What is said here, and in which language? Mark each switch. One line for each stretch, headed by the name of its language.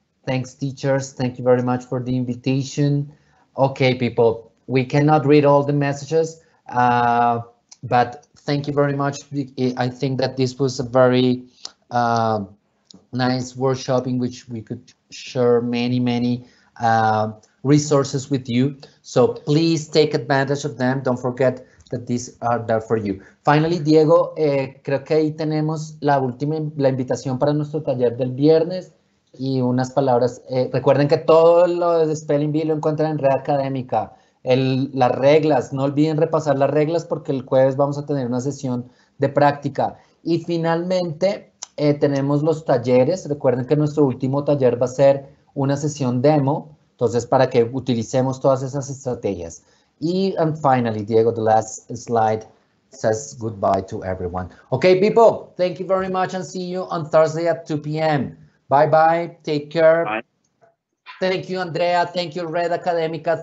English: Thanks teachers, thank you very much for the invitation. Okay people, we cannot read all the messages, but thank you very much. I think that this was a very nice workshop in which we could share many, many resources with you. So please take advantage of them. Don't forget that these are there for you.
Spanish: Finally, Diego, creo que ahí tenemos la última, la invitación para nuestro taller del viernes y unas palabras. Recuerden que todo lo de Spelling Bee lo encuentran en Red Académica. Las reglas, no olviden repasar las reglas porque el jueves vamos a tener una sesión de práctica. Y finalmente, tenemos los talleres. Recuerden que nuestro último taller va a ser una sesión demo. Entonces, para que utilicemos todas esas estrategias.
English: And finally, Diego, the last slide says goodbye to everyone. Okay, people, thank you very much and see you on Thursday at 2 p.m. Bye-bye. Take care. Bye. Thank you, Andrea. Thank you, Red Académica.